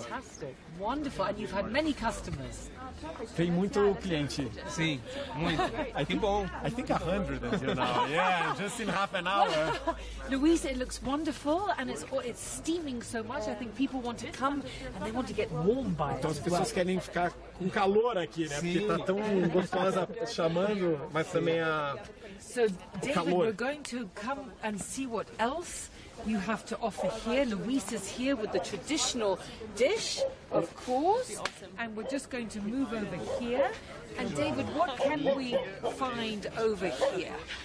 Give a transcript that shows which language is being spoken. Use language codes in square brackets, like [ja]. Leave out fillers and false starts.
[en] Fantastic. Wonderful. And you've had many customers. [pt] Tem muito cliente. Sim, muito. [en] I think, [pt] bom. [en] I think 100 until now. Yeah, just in half an hour. Luis, it looks wonderful and it's steaming so much. I think people want to come and they want to get warm by it. [pt] Então as pessoas querem ficar com calor aqui, né? Sim. Porque tá tão gostosa chamando, mas também a calor. [en] So, David, we're going to come and see what else you have to offer here. Luis is here with the traditional dish, of course, and we're just going to move over here. And David, what can we find over here?